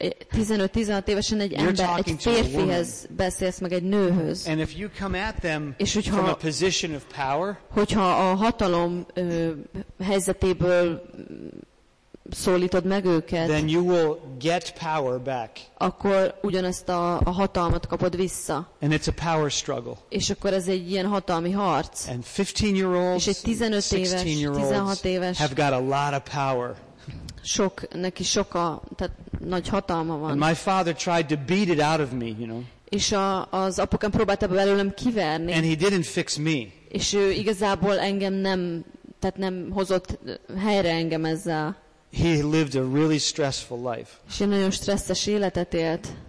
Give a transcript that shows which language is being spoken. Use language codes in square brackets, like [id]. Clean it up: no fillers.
[hu] 15-16 évesen egy ember, egy férfihez beszélsz meg, egy nőhöz. [en] And if you come at them from a position of power, [hu] hogyha a hatalom helyzetéből szólítod meg őket, [en] then you will get power back. [hu] Akkor ugyanezt a hatalmat kapod vissza. [en] And it's a power struggle. [hu] És akkor ez egy ilyen hatalmi harc. [en] And 15-year-olds, 16 [hu] éves [en] have got a lot of power. [hu] Sok, neki sok a, tehát nagy hatalma van. [en] And my father tried to beat it out of me, you know. [hu] És az apukám próbálta belőlem kiverni. [en] And he didn't fix me. [hu] És ő igazából engem nem, tehát nem hozott helyre engem ezzel. [en] He lived a really stressful life. [hu] És én nagyon stresszes életet élt.